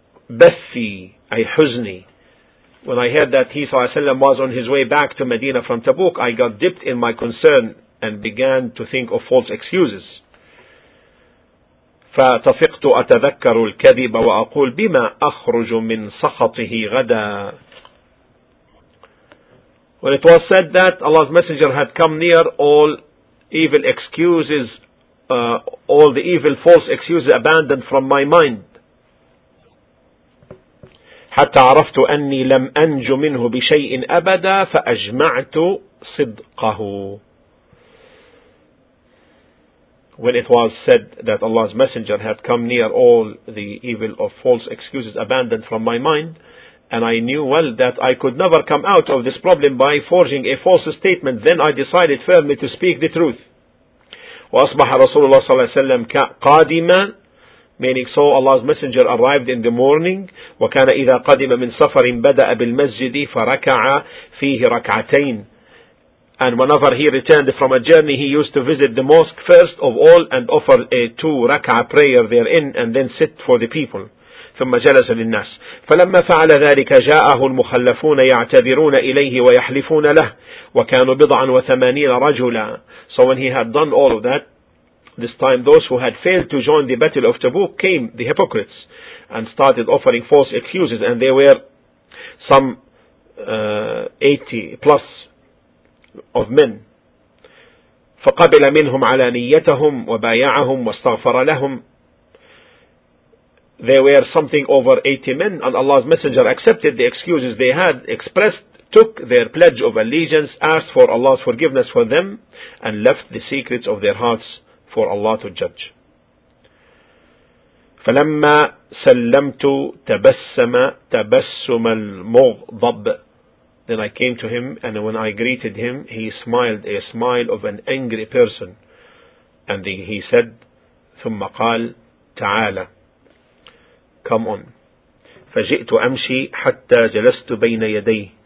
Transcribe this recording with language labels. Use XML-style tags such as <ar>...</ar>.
<ar>بثي, أي حزني.</ar> <en>When I heard that he</en> <ar>صلى الله عليه وسلم</ar> <en>was on his way back to Medina from Tabuk, I got dipped in my concern and began to think of false excuses.</en> <ar>فطفقت أتذكر الكذب وأقول بما أخرج من سخطه غدا.</ar> <en>When it was said that Allah's Messenger had come near, all evil excuses, all the evil false excuses abandoned from my mind.</en> <ar>حتى عرفت أني لم أنج منه بشيء أبدا فأجمعت صدقه.</ar> <en>When it was said that Allah's Messenger had come near, all the evil of false excuses abandoned from my mind, and I knew well that I could never come out of this problem by forging a false statement, then I decided firmly to speak the truth.</en> <ar>وأصبح رسول الله صلى الله عليه وسلم قادما,</ar> <en>meaning so Allah's Messenger arrived in the morning.</en> <ar>وكان إذا قدم من سفر بدأ بالمسجد فركع فيه ركعتين.</ar> <en>And whenever he returned from a journey, he used to visit the mosque first of all and offer a two rak'ah prayer therein and then sit for the people.</en> <ar>ثم جلس للناس. فلما فعل ذلك جاءه المخلفون يعتذرون إليه ويحلفون له وكانوا بضعا وثمانين رجلا.</ar> <en>So when he had done all of that, this time those who had failed to join the battle of Tabuk came, the hypocrites, and started offering false excuses, and they were some 80 plus of men.</en> <ar>فقبل منهم على نيتهم وبايعهم واستغفر لهم.</ar> <en>There were something over 80 men, and Allah's Messenger accepted the excuses they had expressed, took their pledge of allegiance, asked for Allah's forgiveness for them, and left the secrets of their hearts for Allah to judge.</en> <ar>فلما سلمت تبسم تبسم المغضب.</ar> <en>Then I came to him, and when I greeted him, he smiled a smile of an angry person, and he said,</en> <ar>ثم قال تعالى.</ar> <en>Come on.</en> <ar>فجئت أمشي حتى جلست بين يديه.</ar>